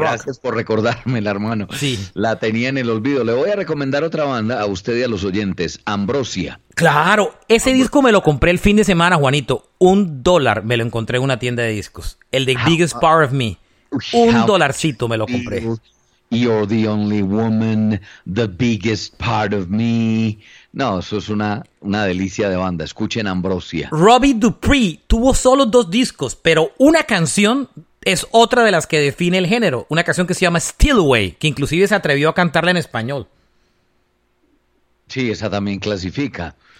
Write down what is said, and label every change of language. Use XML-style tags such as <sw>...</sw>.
<es>Gracias por recordármela, hermano. Sí. La tenía en el olvido. Le voy a recomendar otra banda a usted y a los oyentes: Ambrosia. Claro, ese Ambrosia. Disco me lo compré el fin de semana, Juanito. $1 me lo encontré en una tienda de discos. El de Biggest Part of Me. Un dolarcito me lo compré.</es> <en>You're the only woman, the biggest part of me.</en> <es>No, eso es una delicia de banda. Escuchen Ambrosia. Robbie Dupree tuvo solo 2 discos, pero una canción es otra de las que define el género. Una canción que se llama Steal Away, que inclusive se atrevió a cantarla en español. Sí, esa también clasifica.</es>